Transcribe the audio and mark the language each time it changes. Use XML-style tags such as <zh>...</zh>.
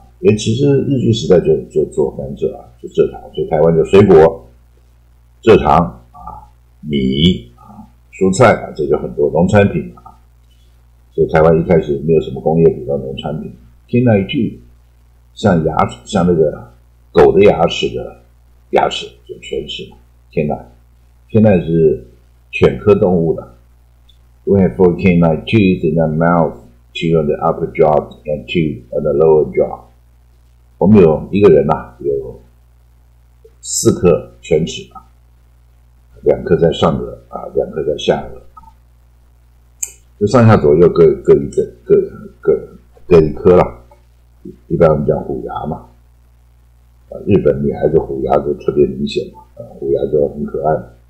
<zh>因为其实日据时代就做甘蔗啊，就蔗糖，所以台湾就水果、蔗糖啊、米啊、蔬菜啊，这就很多农产品啊。所以台湾一开始没有什么工业品到农产品，天然具，像牙齿，像那个狗的牙齿的牙齿，就犬齿嘛，天然，天然是犬科动物的。</zh> <en>We have four canine teeth in the mouth, two on the upper jaw and two on the lower jaw.</en> <zh>我们有一个人啊，有四颗犬齿啊，两颗在上颚啊，两颗在下颚，就上下左右各一个各一颗啦。一般我们讲虎牙嘛，日本女孩子虎牙就特别明显嘛，虎牙就很可爱。</zh>